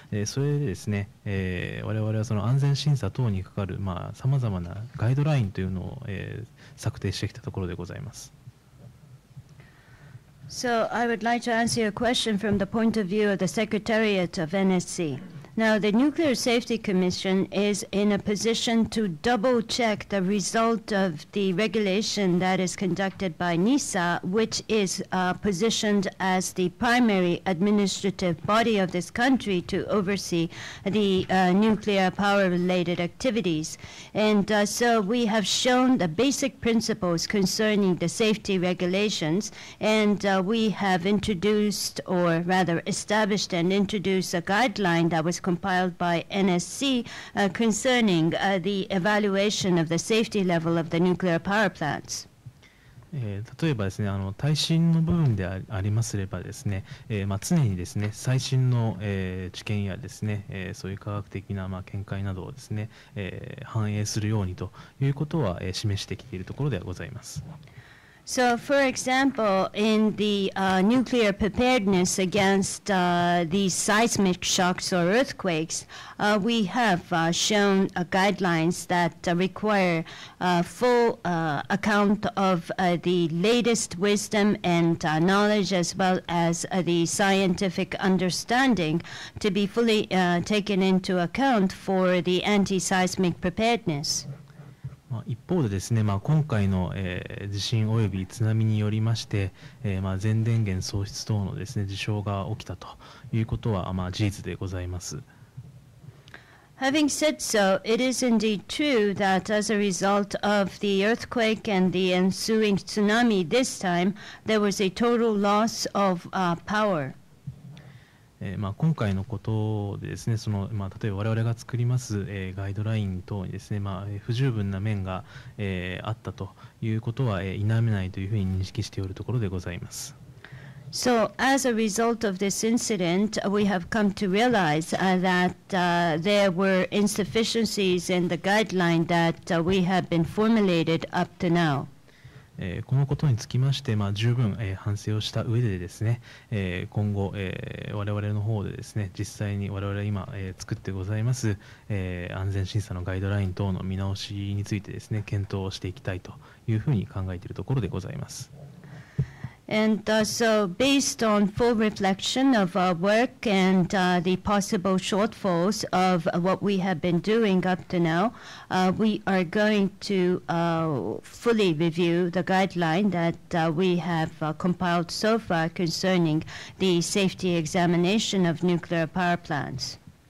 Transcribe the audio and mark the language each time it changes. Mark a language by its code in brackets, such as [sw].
[ja] それでですね、我々はその安全審査等に関わるまあ様々なガイドラインというのを、策定してきたところでございます。 [en] So I would like to answer your question from the point of view of the Secretariat of NSC. Now, the Nuclear Safety Commission is in a position to double-check the result of the regulation that is conducted by NISA, which is positioned as the primary administrative body of this country to oversee the nuclear power-related activities. And so we have shown the basic principles concerning the safety regulations, and we have introduced, or rather established and introduced a guideline that was compiled by NSC concerning the evaluation of the safety level of the nuclear power plants. [ja] 例えばですね、耐震の部分でありますればですね、常にですね、最新の、知見やですね、そういう科学的な、見解などをですね、反映するようにということは、示してきているところではございます。 [en] So, for example, in the nuclear preparedness against these seismic shocks or earthquakes, we have shown guidelines that require full account of the latest wisdom and knowledge as well as the scientific understanding to be fully taken into account for the anti-seismic preparedness. [ja] 一方でですね、今回の、地震及び津波によりまして、全電源喪失等のですね、事象が起きたということは、事実でございます。 [en] Having said so, it is indeed true that as a result of the earthquake and the ensuing tsunami this time, there was a total loss of power. [ja] 今回のことでですね、その、例えば我々が作ります、ガイドライン等にですね、不十分な面が、あったということは、否めないというふうに認識しておるところでございます。 [en] So, as a result of this incident, we have come to realize that there were insufficiencies in the guideline that we have been formulated up to now. [ja] このことにつきまして、十分、反省をした上でですね、今後、我々の方でですね、実際に我々今、作ってございます、安全審査のガイドライン等の見直しについてですね、検討をしていきたいというふうに考えているところでございます。 [en] And so based on full reflection of our work and the possible shortfalls of what we have been doing up to now, we are going to fully review the guideline that we have compiled so far concerning the safety examination of nuclear power plants.